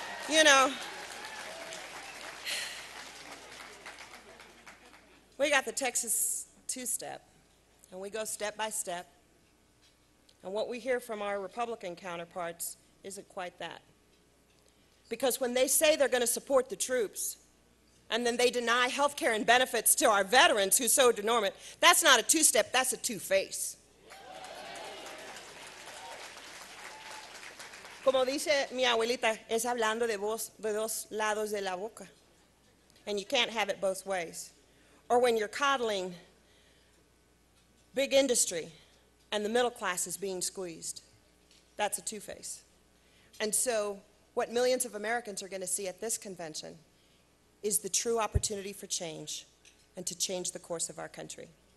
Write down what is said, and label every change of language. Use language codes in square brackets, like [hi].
[en] You know, we got the Texas Two Step, and we go step by step, and what we hear from our Republican counterparts isn't quite that. Because when they say they're gonna support the troops, and then they deny health care and benefits to our veterans who so deserve it, that's not a two-step, that's a two-face. [es] Como dice mi abuelita, es hablando de vos, de dos lados de la boca. [en] And you can't have it both ways. Or when you're coddling big industry and the middle class is being squeezed. That's a two-face. And so what millions of Americans are going to see at this convention is the true opportunity for change and to change the course of our country.